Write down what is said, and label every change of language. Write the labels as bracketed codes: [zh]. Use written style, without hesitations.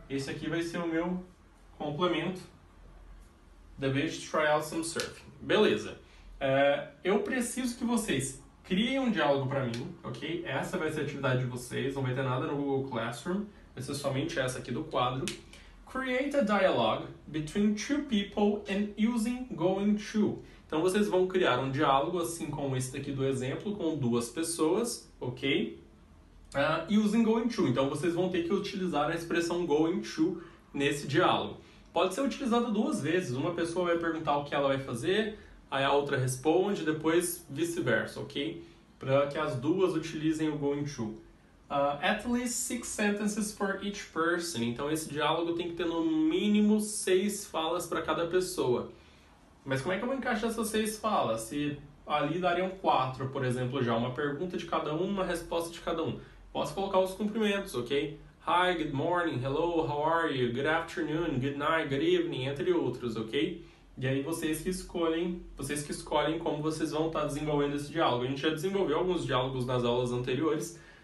[pt] Esse aqui vai ser o meu complemento, [en] the beach try out some surfing. [pt] Beleza, eu preciso que vocês criem um diálogo para mim, ok? Essa vai ser a atividade de vocês, não vai ter nada no Google Classroom, vai ser somente essa aqui do quadro. [en] Create a dialogue between two people and using going to. [pt] Então vocês vão criar um diálogo, assim como esse daqui do exemplo, com duas pessoas, ok? Using going to. Então vocês vão ter que utilizar a expressão going to nesse diálogo. Pode ser utilizado duas vezes. Uma pessoa vai perguntar o que ela vai fazer, aí a outra responde, depois vice-versa, ok? Para que as duas utilizem o going to. [en] At least 6 sentences for each person. [pt] Então, esse diálogo tem que ter no mínimo 6 falas para cada pessoa. Mas como é que eu vou encaixar essas 6 falas? Se ali dariam 4, por exemplo, já uma pergunta de cada um, uma resposta de cada um. Posso colocar os cumprimentos, ok? [en] Hi, good morning, hello, how are you, good afternoon, good night, good evening, [pt] entre outros, [en] ok? [pt] E aí vocês que escolhem como vocês vão estar desenvolvendo esse diálogo. A gente já desenvolveu alguns diálogos nas aulas anteriores.